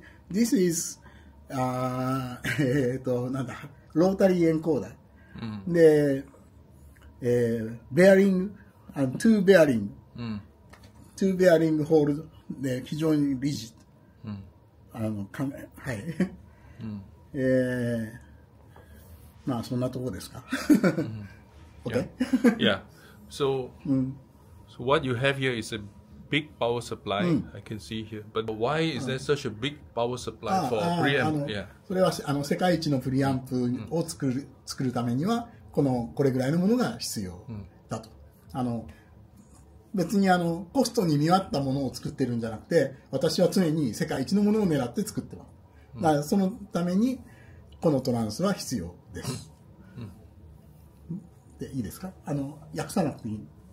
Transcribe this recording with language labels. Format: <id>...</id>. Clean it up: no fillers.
<en>this is,</en> <ja>なんだ、ロータリーエンコーダー。</ja> <en>で、bearing, two bearing, two bearing hold, で、非常に rigid.</en> <ja>はい。まあ、そんなとこですか。</ja> <en>Okay? Yeah. So, so what you have here is a big power supply、I can see here but why is there such a big power supply for preamp</en> <ja>それは世界一のプリアンプを作るためにはこれぐらいのものが必要だと、別にコストに見合ったものを作ってるんじゃなくて私は常に世界一のものを狙って作ってます、だからそのためにこのトランスは必要です、でいいですか訳さなくていい</ja>